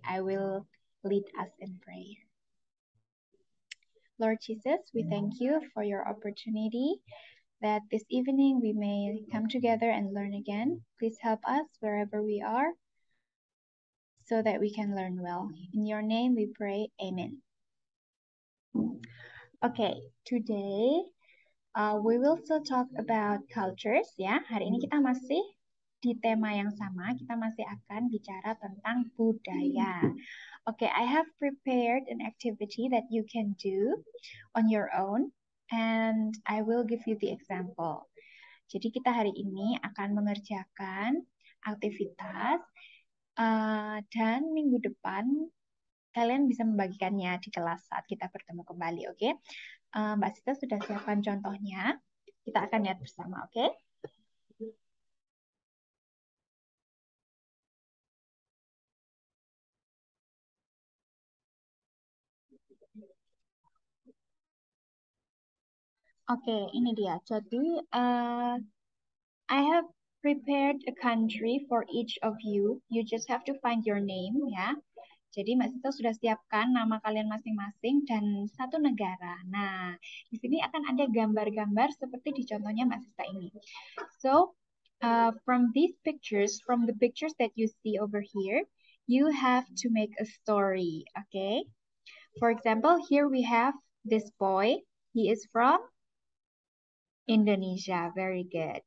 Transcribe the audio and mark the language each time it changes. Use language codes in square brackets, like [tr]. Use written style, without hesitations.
[en] I will lead us in prayer. Lord Jesus, we thank you for your opportunity that this evening we may come together and learn again. Please help us wherever we are so that we can learn well. In your name we pray, amen. Okay, today we will still talk about cultures, ya. [id] Hari ini kita masih di tema yang sama, kita masih akan bicara tentang budaya. [en] Okay, I have prepared an activity that you can do on your own. And I will give you the example. [id] Jadi kita hari ini akan mengerjakan aktivitas dan minggu depan kalian bisa membagikannya di kelas saat kita bertemu kembali, oke? [en] Okay? [id] Mbak Sita sudah siapkan contohnya. Kita akan lihat bersama, oke? Okay, ini dia. [en] Jadi, I have prepared a country for each of you. You just have to find your name, ya. [id] Jadi, Mbak Sita sudah siapkan nama kalian masing-masing dan satu negara. Nah, di sini akan ada gambar-gambar seperti di contohnya Mbak Sita ini. [en] So, from these pictures, from the pictures that you see over here, you have to make a story, okay? For example, here we have this boy. He is from Indonesia, very good.